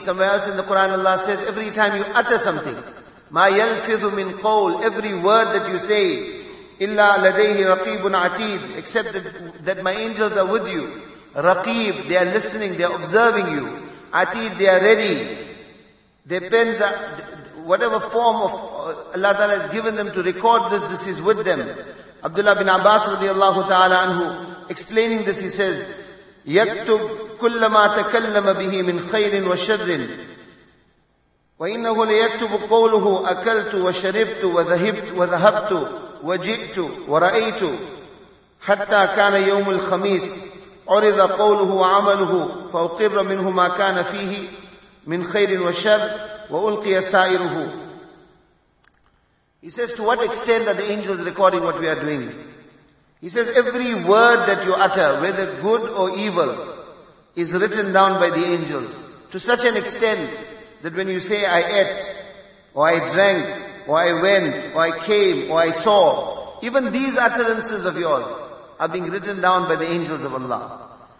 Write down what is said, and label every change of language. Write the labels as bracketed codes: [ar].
[en] Somewhere else in the Quran Allah says every time you utter something, [ar] ma yalfidhu min qawl, [en] every word that you say, [ar] illa ladayhi raqibun atid, [en] except that my angels are with you. Raqib, they are listening, they are observing you. Atid, they are ready. Their pens are, whatever form of Allah Ta'ala has given them to record this is with them. Abdullah bin Abbas radiallahu ta'ala anhu, explaining this, he says, [ar] يَكْتُبْ كُلَّ مَا تَكَلَّمَ بِهِ مِنْ خَيْرٍ وَشَرٍ وَإِنَّهُ لَيَكْتُبُ قَوْلُهُ أَكَلْتُ وَشَرِبْتُ وَذَهَبْتُ وَجِئْتُ وَرَأَيْتُ حَتَّى كَانَ يَوْمُ الْخَمِيسِ عرض قوله وعمله فأقر منه ما كان فيه من خير وشر وألقي سائره. [en] He says, to what extent are the angels recording what we are doing? He says, every word that you utter, whether good or evil, is written down by the angels. To such an extent that when you say, "I ate," or "I drank," or "I went," or "I came," or "I saw," even these utterances of yours are being written down by the angels of Allah.